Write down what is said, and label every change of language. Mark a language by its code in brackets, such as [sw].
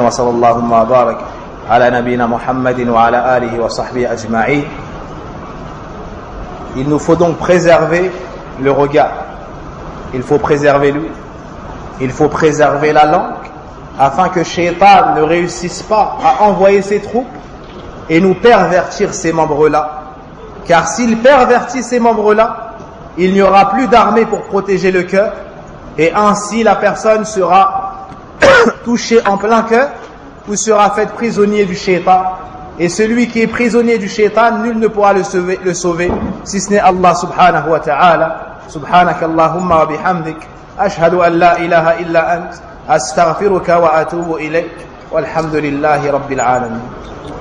[ar] Wa sallallahu ma barak على نبينا محمد وعلى آله وصحبه أجمعين. [fr] Il nous faut donc préserver le regard. Il faut préserver lui. Il faut préserver la langue afin que Shaitan ne réussisse pas à envoyer ses troupes et nous pervertir ces membres-là. Car s'il pervertit ces membres-là, il n'y aura plus d'armée pour protéger le cœur et ainsi la personne sera touchée en plein cœur ou sera fait prisonnier du shaitan. Et celui qui est prisonnier du shaitan, nul ne pourra le sauver, si ce n'est Allah subhanahu wa ta'ala. [ar] سبحانك اللهم وبحمدك أشهد أن لا إله إلا أنت أستغفرك وأتوب إليك والحمد لله رب العالمين.